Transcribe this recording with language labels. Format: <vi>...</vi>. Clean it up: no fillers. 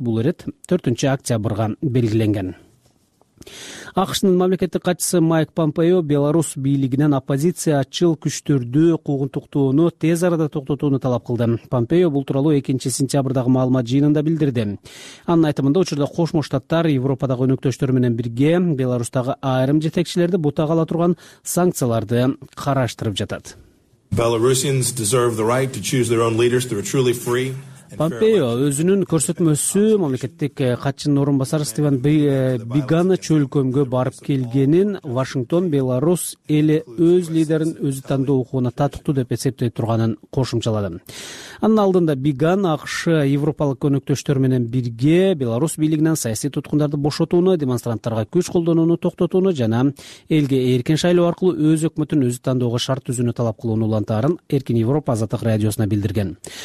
<ky>Бул ирет 4 октябрга белгиленген. АКШнын мамлекеттик катчысы Майк Помпео Беларусь бийлигинен оппозициячыл күчтөрдү куугунтуктоону тез арада токтотууну талап кылды. Помпео бул тууралуу 2-сентябрдагы маалымат жыйынында билдирди. Анын айтымында учурда Кошмо Штаттар Европадагы өнөктөштөрү менен бирге Беларусьтагы айрым жетекчилерди бутагала турган санкцияларды караштырып жатат.</ky> <en>Belarusians deserve the right to choose their own leaders through a truly free</en> <ky>Помпео өзүнүн көрсөтмөсү мамлекеттик катчынын орун басары Стиван Бигана чөлкөмгө барып келгенин Вашингтон Беларусь эли өз лидерин өзү тандоо укугуна татыктуу деп эсептей турганын кошумчалады. Анын алдында Биган АКШ европалык өнөктөштөр менен бирге Беларусь бийлигинен саясий туткундарды бошотууну, демонстранттарга күч колдонууну токтотууну жана элге эркин шайлоо аркылуу өз өкмөтүн өзү тандоого шарт түзүүнү талап кылууну улантаарын Эркин Европа Азаттык радиосуна билдирген.</ky>